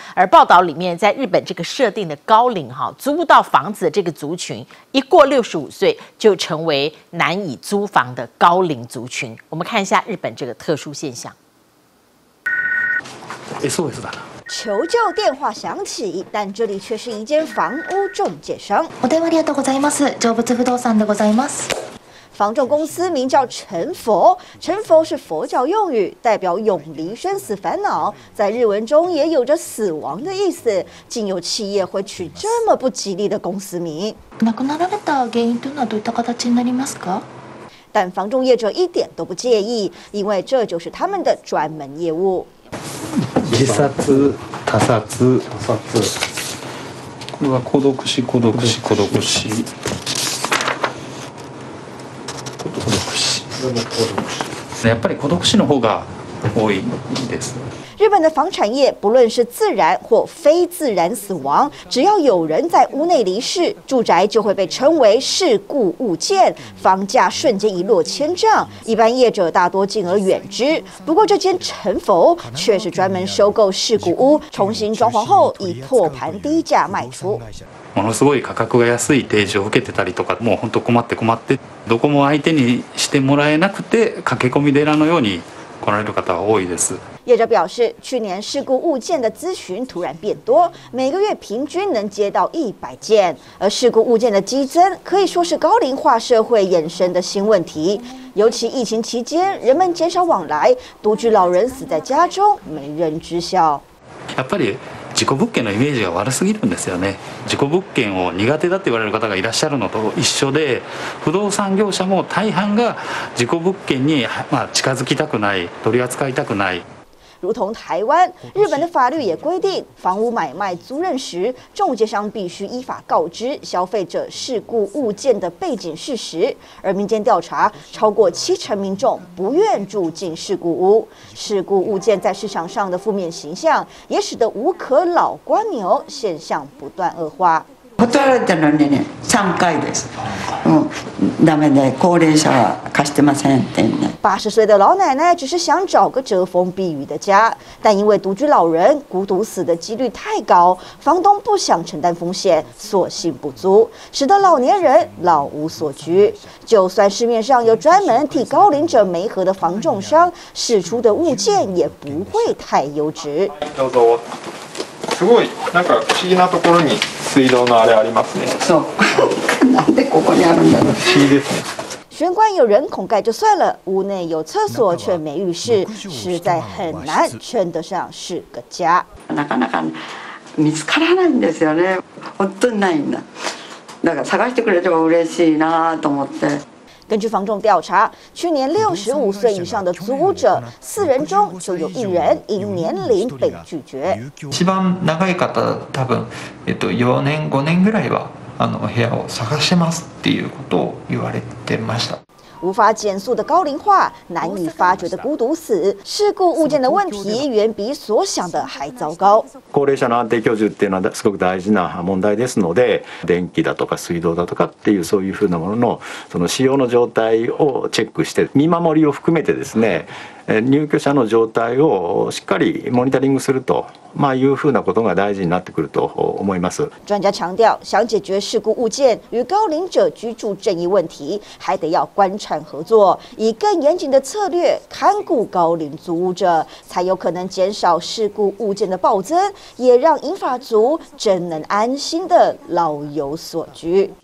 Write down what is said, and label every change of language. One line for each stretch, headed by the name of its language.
Chinese: 而报道里面，在日本这个设定的高龄哈，租不到房子的这个族群，一过65岁就成为难以租房的高龄族群。我们看一下日本这个特殊现象。 SOS 打的。求救电话响起，但这里却是一间房屋中介商。
Japanese: お電話ありがとうございます。成仏不動産でございます。
Chinese: 房仲公司名叫成佛，成佛是佛教用语，代表永离生死烦恼，在日文中也有着死亡的意思。竟有企业会取这么不吉利的公司名。
Japanese: 亡くなられた原因というのはどういった形になりますか？
Chinese: 但房仲业者一点都不介意，因为这就是他们的专门业务。
Japanese: 自殺、他殺、他殺。これは孤独死、孤独死、孤独死。やっぱり孤独死の方が多いです。
Chinese: 日本的房产业，不论是自然或非自然死亡，只要有人在屋内离世，住宅就会被称为事故物件，房价瞬间一落千丈。一般业者大多敬而远之。不过这间成佛却是专门收购事故屋，重新装潢后以破盘低价卖出。
Japanese: ものすごい価格が安い提示を受けてたりとか、もう本当困って困って、どこも相手にしてもらえなくて、駆け込み寺のように来られる方は多いです。
Chinese: 业者表示，去年事故物件的咨询突然变多，每个月平均能接到100件，而事故物件的激增可以说是高龄化社会衍生的新问题。尤其疫情期间，人们减少往来，独居老人死在家中，没人知晓。
Japanese: やっぱり事故物件のイメージが悪すぎるんですよね。事故物件を苦手だって言われる方がいらっしゃるのと一緒で、不動産業者も大半が事故物件に近づきたくない、取り扱いたくない。
Chinese: 如同台湾，日本的法律也规定，房屋买卖租赁时，仲介商必须依法告知消费者事故物件的背景事实。而民间调查，超过70%民众不愿住进事故屋。事故物件在市场上的负面形象，也使得无壳老官牛现象不断恶化。
Japanese: 断られたのにね、3回です。ダメで、高齢者は貸してませんってね。
Chinese: 80歳的老奶奶只是想找个遮风避雨的家，但因为独居老人孤独死的几率太高，房东不想承担风险，索性不租，使得老年人老无所居。就算市面上有专门替高龄者媒合的房仲商，释出的物件也不会太优质。
Japanese: すごい、なんか不思議なところに水道のあれありますね。そう。なんでここにあるんだろう。不思議ですね。
Chinese: 玄关有人孔盖就算了，屋内有厕所却没浴室，实在很难称得上是个家。
Japanese: なかなか見つからないんですよね。本当にないんだ。だから探してくれれば嬉しいなと思って。
Chinese: 根据房仲调查，去年65岁以上的租屋者4人中就有1人因年龄被拒绝。
Japanese: 一番長い方多分4年5年ぐらいは部屋を探してますっていうことを言われてました。
Chinese: 无法减速的高龄化，难以发觉的孤独死，事故物件的问题远比所想的还糟糕。
Japanese: 高齢者の安定居住っていうのはすごく大事な問題ですので、電気だとか水道だとかっていうそういうふうなものの、その使用の状態をチェックして、見守りを含めてですね、入居者の状態をしっかりモニタリングすると、いうふうなことが大事になってくると思います。
Chinese: 专家强调，想解决事故物件与高龄者居住正义问题，还得要官产合作，以更严谨的策略看顾高龄租屋者，才有可能减少事故物件的暴增，也让银发族真能安心的老有所居。